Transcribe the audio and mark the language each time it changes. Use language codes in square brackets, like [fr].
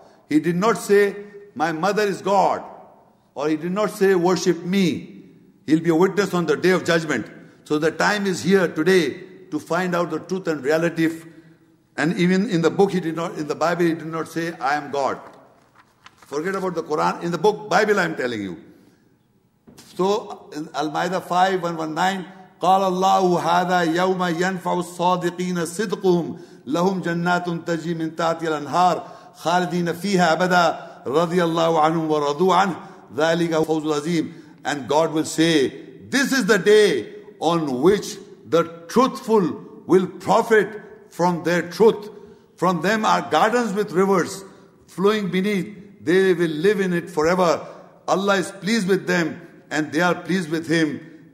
[en] He did not say, my mother is God. Or he did not say, worship me. He'll be a witness on the day of judgment. So the time is here today to find out the truth and reality. And even in the book, in the Bible, he did not say, I am God. Forget about the Quran. In the book, Bible, I'm telling you. So in Al-Ma'idah 5:119, [ar] قال الله هذا يوم ينفع الصادقين صدقهم لهم جنات تجري من تحتها الأنهار خالدين فيها أبدا رضي الله عنهم ورضوا عنه ذلك فوز العظيم. [en] And God will say, this is the day on which the truthful will profit from their truth. From them are gardens with rivers flowing beneath. They will live in it forever. Allah is pleased with them and they are pleased with him.